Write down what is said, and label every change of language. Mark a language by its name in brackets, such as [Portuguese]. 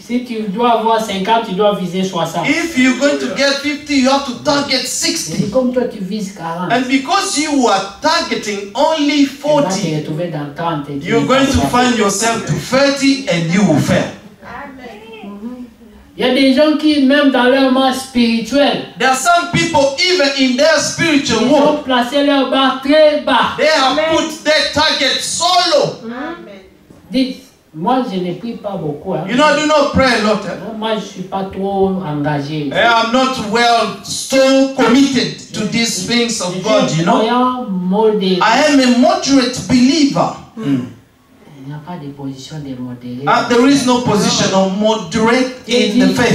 [French] Si tu dois avoir 50, tu dois viser 60. [English] If you're going to get 50, you have to target 60. [French] Et comme toi, tu vises 40. [English] And because you are targeting only 40, [French] tu vas te trouver dans 30 et [English] you're going to find yourself to 30 and you will fail. [French] Il y a des gens qui, même dans leur monde spirituel, [English] there are some people even in their spiritual world, [French] ils ont placé leur bar très bas. [English] They have put their target so low. Amen. [French] Dites, moi, je ne prie pas beaucoup. Hein. [English] You know, I do not pray a lot. [French] Moi, je suis pas trop engagé. [English] I am not well so committed to these things of God, you know. [French] Modéré. [English] I am a moderate believer. [French] Il n'y a pas de position de modéré. [English] There is no position of moderate in the faith.